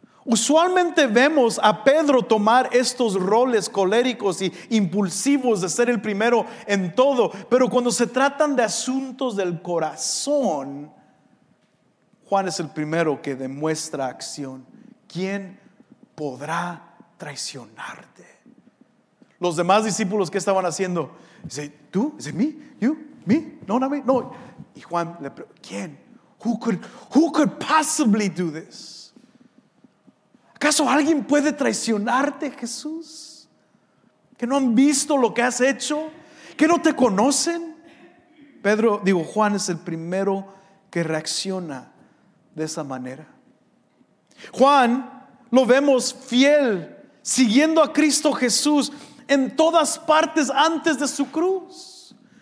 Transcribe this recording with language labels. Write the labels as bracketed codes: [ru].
[es] Usualmente vemos a Pedro tomar estos roles coléricos y impulsivos de ser el primero en todo, pero cuando se tratan de asuntos del corazón, Juan es el primero que demuestra acción. ¿Quién podrá traicionarte? Los demás discípulos, ¿qué estaban haciendo? Dice, ¿tú? Dice, ¿me? ¿You? ¿Me? No, no, me. No. Y Juan le pregunta, ¿quién? [en] Who could possibly do this? [es] ¿Acaso alguien puede traicionarte, Jesús? ¿Que no han visto lo que has hecho? ¿Que no te conocen? Juan es el primero que reacciona de esa manera. Juan lo vemos fiel, siguiendo a Cristo Jesús en todas partes antes de su cruz.